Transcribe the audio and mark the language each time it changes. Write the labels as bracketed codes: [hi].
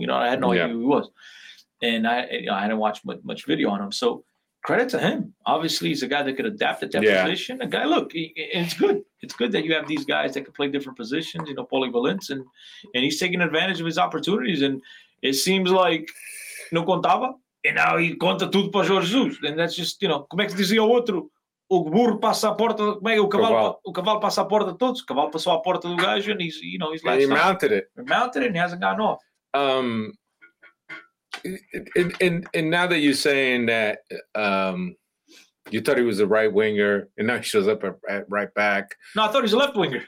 [en] You know, I had no idea who he was, and I hadn't watched much video on him. So credit to him. Obviously, he's a guy that could adapt at that position. A guy, look, it's good. It's good that you have these guys that can play different positions. You know, polyvalence, and he's taking advantage of his opportunities. And it seems like [pt] no contava. [en] And now he [pt] conta tudo para [en] Jorge Jesus. And that's just, you know, [pt] como é que dizia o outro? O burro passa a porta, como é que o cavalo passa a porta de todos? O cavalo passou a porta do gajo [en] and he's, you know, he's like... He mounted it. He mounted it and he hasn't gotten off. And now that you're saying that you thought he was a right winger and now he shows up at right back. No, I thought he was a left winger.